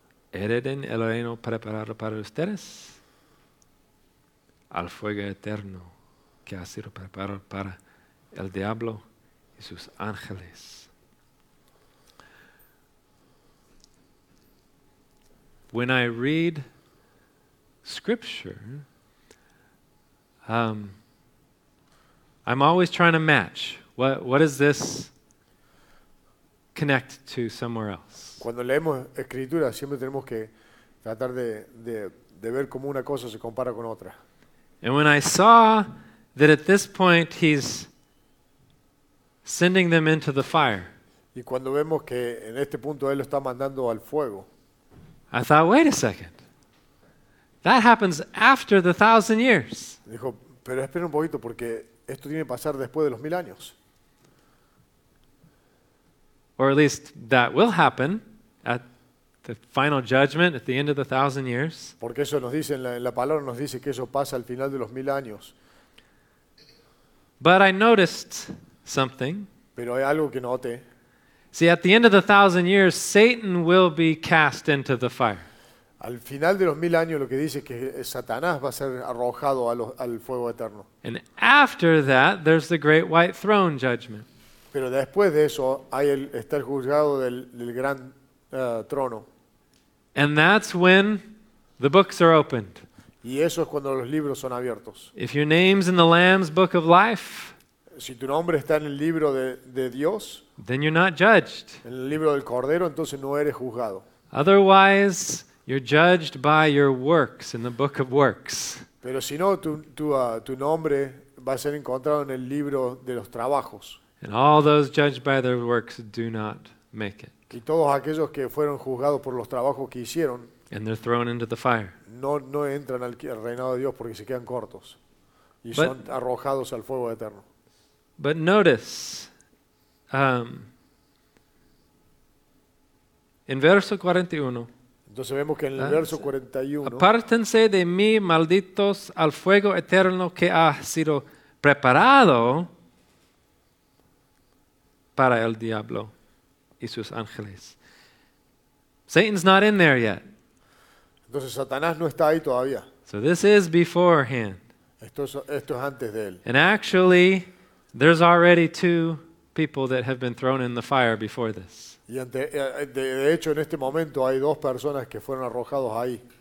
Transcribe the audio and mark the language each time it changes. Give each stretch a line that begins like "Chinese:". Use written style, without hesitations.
Spanish: Hereden el reino preparado para ustedes al fuego eterno que ha sido preparado para el diablo y sus ángeles.
English: When I read scripture, I'm always trying to match. What is this connect to somewhere else?
Spanish: Cuando leemos escritura siempre tenemos que tratar de ver cómo una cosa se compara con otra.
English: And when I saw that at this point he's sending them into the fire.
Spanish: Y cuando vemos que en este punto él lo está mandando al fuego.
English: I thought, wait a second. That happens after the 1,000 years.
Spanish: Dijo, pero espera un poquito porque esto tiene que pasar después de los 1,000 años.
English: Or at least that will happen at the final judgment at the end of the 1,000 years.
Spanish: Porque eso nos dice en la palabra nos dice que eso pasa al final de los 1,000 años.
English: But I noticed something.
Spanish: Pero hay algo que noté.
English: See, at the end of the 1,000 years, Satan will be cast into the fire.
Spanish: Al final de los 1,000 años, lo que dice es que Satanás va a ser arrojado al fuego eterno.
English: And after that, there's the great white throne judgment.
Spanish: Pero después de eso hay está el juzgado del gran trono.
English: And that's when the books are opened.
Spanish: Y eso es cuando los libros son abiertos.
English: If your name's in the Lamb's book of life,
Spanish: si tu nombre está en el libro de Dios,
English: then you're not judged.
Spanish: En el libro del Cordero, entonces no eres juzgado.
English: Otherwise, you're judged by your works in the book of works.
Spanish: Pero si no, tu nombre va a ser encontrado en el libro de los trabajos.
English: And all those judged by their works do not make it.
Spanish: Y todos aquellos que fueron juzgados por los trabajos que hicieron.
English: And they're thrown into the fire.
Spanish: No entran al reinado de Dios porque se quedan cortos. Y but, son arrojados al fuego eterno.
English: But notice,
Spanish: en verso 41. Entonces vemos que en el verso 41. Apártense de mí, malditos, al fuego eterno que ha sido preparado para el diablo y sus ángeles.
English: Satan's not in there yet.
Spanish: Entonces Satanás no está ahí todavía.
English: So this is beforehand.
Spanish: Esto es antes de él.
English: And actually, there's already two people that have been thrown in the fire before this.
Spanish: Y de hecho en este momento hay dos personas que fueron arrojados ahí.